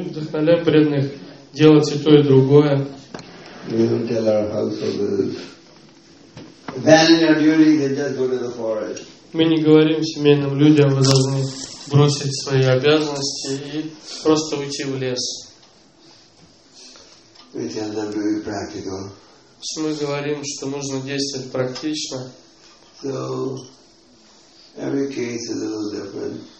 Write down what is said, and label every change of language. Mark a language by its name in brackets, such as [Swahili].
[Russian] вдохновляем преданных делать и то, и другое. [English] We don't tell our householders. Abandon your duties and just go to the forest. [Russian] Мы не говорим семейным людям, вы должны бросить свои обязанности и просто уйти в лес. [English] We tell them to be practical. [Russian] Мы говорим, что нужно действовать практично. [English] So every case is a little different.